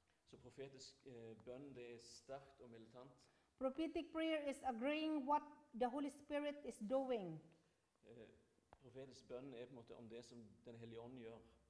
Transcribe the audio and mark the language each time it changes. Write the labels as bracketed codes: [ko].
[no] So prophetic bønn, det er sterkt og militant. [en] Prophetic prayer is agreeing what the Holy Spirit is doing. [no] Prophetic bønn er på en måte om det som den hellige ånd gjør.